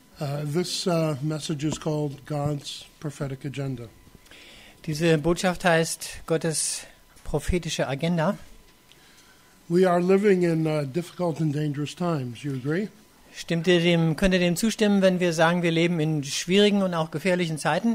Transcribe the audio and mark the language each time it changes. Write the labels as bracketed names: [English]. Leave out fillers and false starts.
[English] This message is called God's Prophetic Agenda. [German] Diese Botschaft heißt Gottes prophetische Agenda. [English] We are living in difficult and dangerous times. You agree? [German] Stimmt ihr dem? Könnt ihr dem zustimmen, wenn wir sagen, wir leben in schwierigen und auch gefährlichen Zeiten?